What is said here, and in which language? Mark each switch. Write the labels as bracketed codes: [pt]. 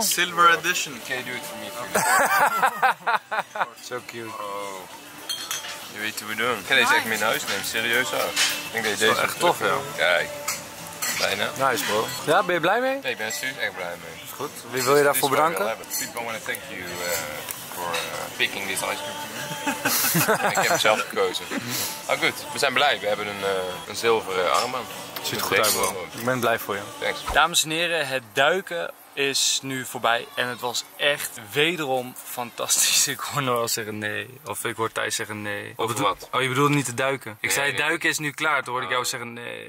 [en] Silver edition. Can you do it for me? So cute. [nl] Oh. Je weet hoe we doen. Ik ga deze echt mee naar huis nemen. Serieus ook. Ik denk dat deze echt tof is. Kijk. Bijna. Nice, bro. Ja, ben je blij mee? Nee, ik ben serieus echt blij mee. Is goed. Wie wil je daarvoor bedanken? [en] People want to thank you for picking this ice cream. [nl] Ik heb hem zelf gekozen. Oh, goed. We zijn blij. We hebben een zilveren armband. Ziet er goed uit, bro. Ik ben blij voor je. [en] Thanks. [nl] Dames en heren, het duiken is nu voorbij. En het was echt wederom fantastisch. Ik hoor Noël zeggen nee. Of ik hoor Thijs zeggen nee. Of wat? Oh, je bedoelt niet te duiken. Ik zei duiken is nu klaar. Toen hoorde ik jou zeggen nee.